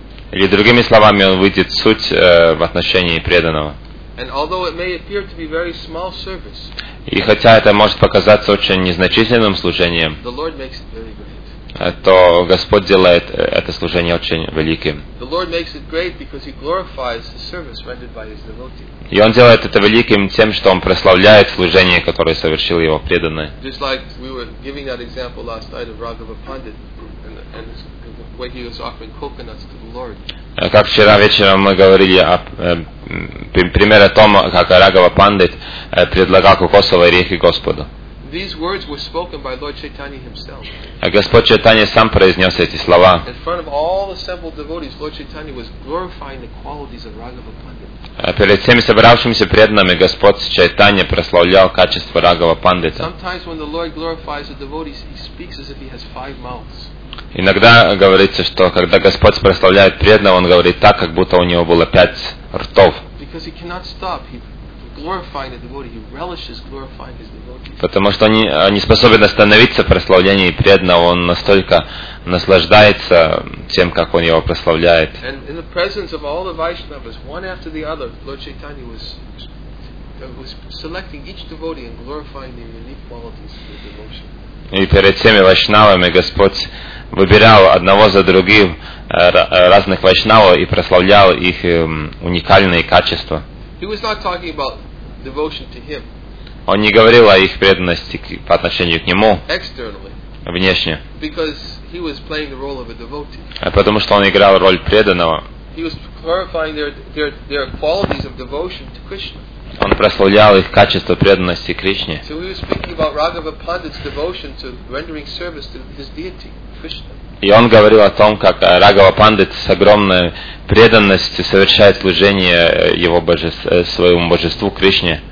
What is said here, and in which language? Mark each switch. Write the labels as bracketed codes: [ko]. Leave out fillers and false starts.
[ru] Или другими словами, он видит суть в отношении преданного. [en] And although it may appear to be very small service, [ru] и хотя это может показаться очень незначительным служением, [en] the Lord makes it very great. [ru] То Господь делает это служение очень великим. [en] The Lord makes it great because he glorifies the service rendered by his devotee. [ru] И он делает это великим тем, что он прославляет служение, которое совершил его преданный. [en] Just like we were giving that example last night of Raghava Pandit and when he was offering coconuts to the Lord. [ru] Как вчера вечером мы говорили о примере том, как Раghava Pandit предлагал кокосовые орехи Господу. [en] These words were spoken by Lord Chaitanya himself. [ru] Господь Чайтанья сам произнес эти слова. [en] In front of all assembled devotees, Lord Chaitanya was glorifying the qualities of Raghava Pandit. [ru] Перед всеми собравшимися преданными Господь Чайтанья прославлял качество Раghava Pandita. [en] Sometimes when the Lord glorifies the devotees, he speaks as if he has five mouths. [ru] Иногда говорится, что когда Господь прославляет преданного, он говорит так, как будто у него было пять ртов. [en] Because he cannot stop. He glorifying the devotee, he relishes glorifying his devotee. [ru] Потому что он не способен остановиться в прославлении преданного, он настолько наслаждается тем, как он его прославляет. [en] And in the presence of all the Vaishnavas, one after the other, Lord Chaitanya was selecting each devotee and glorifying their unique qualities of devotion. [ru] И перед всеми вайшнавами Господь выбирал одного за другим разных вайшнавов и прославлял их уникальные качества. [en] He was not talking about devotion to him. [ru] Он не говорил о их преданности по отношению к нему. [en] Externally. [ru] Внешне. [en] Because he was playing the role of a devotee. [ru] Потому что он играл роль преданного. [en] He was glorifying their qualities of devotion to Krishna. [ru] Он прославлял их качество преданности Кришне. [en] So he was speaking about Raghava Pandit's devotion to rendering service to his deity, Krishna. [ru] И он говорил о том, как Раghava Pandit с огромной преданностью совершает служение его своему божеству Кришне.